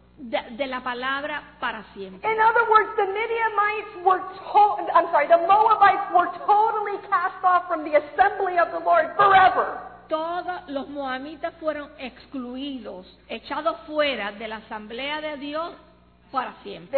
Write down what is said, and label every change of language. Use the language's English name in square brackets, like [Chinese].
[Spanish] De la palabra para siempre. [English] In other words, the Midianites were the Moabites were totally cast off from the assembly of the Lord forever. [Spanish] Todos los Moabitas fueron excluidos, echados fuera de la asamblea de Dios para siempre.